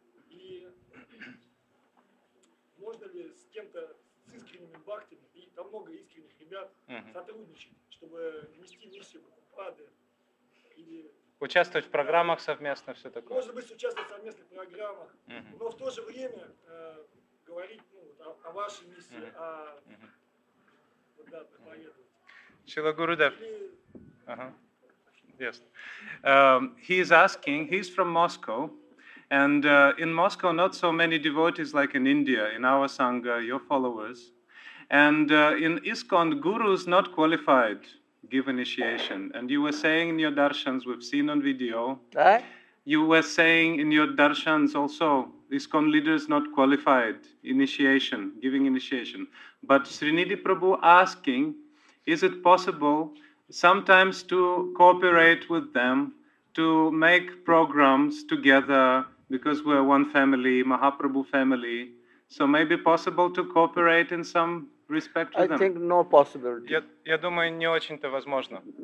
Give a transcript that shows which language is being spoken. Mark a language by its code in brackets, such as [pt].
[ru] И можно ли с кем-то, с искренними бхактами, и там много искренних ребят, сотрудничать, чтобы нести миссию Прабхупады или... Участвовать в программах совместно, все такое. Может быть, участвовать в совместных программах, но в то же время говорить о вашей миссии, о проповедовании. Шрила Гурудев. Yes. [en] He is asking, he's from Moscow, and in Moscow not so many devotees like in India, in our Sangha, your followers. And in ISKCON, gurus not qualified give initiation. And you were saying in your darshans, we've seen on video, you were saying in your darshans also, ISKCON leaders not qualified initiation, giving initiation. But Srinidhi Prabhu asking, is it possible sometimes to cooperate with them, to make programs together, because we're one family, Mahaprabhu family. So maybe possible to cooperate in some respect with them? I think no possibility. [ru] Я думаю, не очень-то возможно.